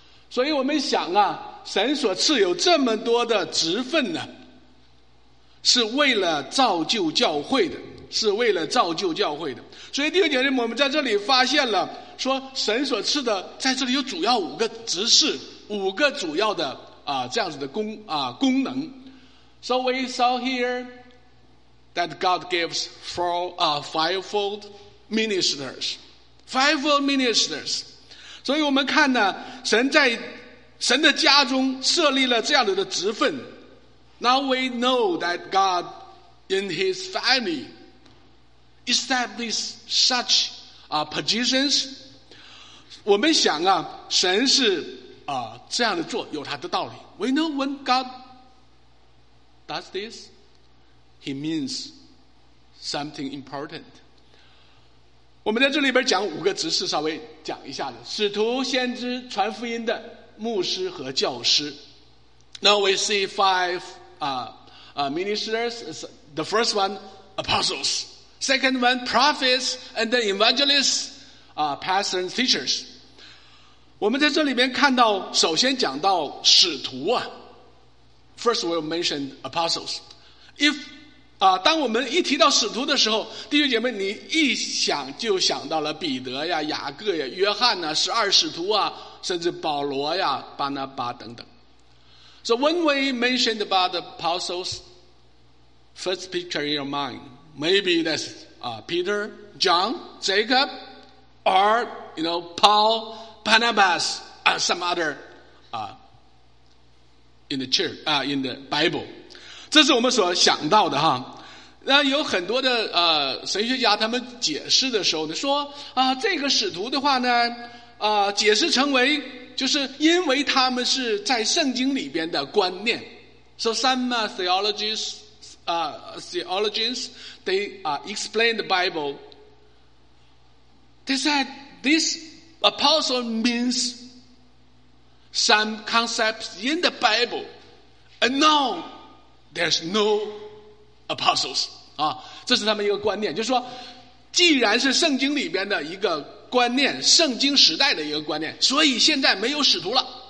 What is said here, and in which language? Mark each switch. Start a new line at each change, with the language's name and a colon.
Chinese: 所以我们想啊，神所赐有这么多的职分呢，是为了造就教会的，是为了造就教会的。所以弟兄姐妹，我们在这里发现了，说神所赐的在这里有主要五个职事，五个主要的这样子的功能。
English: So we saw here that God gives fivefold ministers. Fivefold ministers.
Chinese: 所以我们看呢，神在神的家中设立了这样子的职分。
English: Now we know that God in his family established such positions.
Chinese: 我们想啊，神是这样的做有他的道理。
English: We know when God does this, he means something important.
Chinese: 我们在这里边讲五个职事，稍微讲一下的：使徒、先知、传福音的牧师和教师。
English: Now we see five ministers. The first one, apostles. Second one, prophets, and then evangelists, pastors, teachers.
Chinese: 我们在这里边看到，首先讲到使徒啊。
English: First, we'll mention apostles. If
Chinese: 当我们一提到使徒的时候，弟兄姐妹，你一想就想到了彼得呀、雅各呀、约翰呐、十二使徒啊，甚至保罗呀、巴拿巴等等。
English: So when we mentioned about the apostles, first picture in your mind, maybe that's Peter, John, Jacob, or you know Paul, Barnabas, some other in the church, in the Bible.
Chinese: 这是我们所想到的哈。那有很多的神学家他们解释的时候呢，说这个使徒的话呢，解释成为就是因为他们是在圣经里边的观念。
English: So some theologians, they explain the Bible. They said this apostle means some concepts in the Bible. And now there's no apostles.
Chinese: 这是他们一个观念，就是说既然是圣经里边的一个观念，圣经时代的一个观念，所以现在没有使徒了。